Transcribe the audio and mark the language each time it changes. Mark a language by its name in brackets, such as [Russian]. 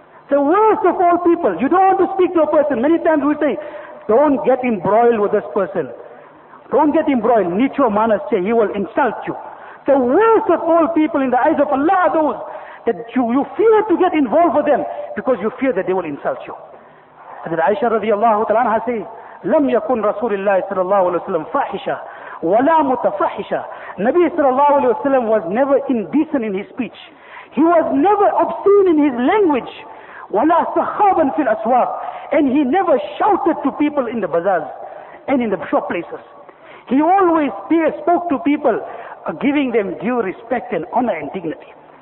[English] The worst of all people, you don't want to speak to a person. Many times we say, don't get embroiled with this person. Don't get embroiled. [Gujarati] Nicho manas che, [English] he will insult you. The worst of all people in the eyes of Allah are those that you fear to get involved with them because you fear that they will insult you. Hazrat Aisha radiallahu ta'ala anha says, [Arabic] لم يكن رسول الله صلى الله عليه وسلم فاحشة ولا متفحشة. [English] Nabi sallallahu alayhi wa sallam was never indecent in his speech. He was never obscene in his language. [Arabic] ولا سخابا في الأسواق. [English] And he never shouted to people in the bazaars and in the shop places. He always spoke to people, giving them due respect and honor and dignity.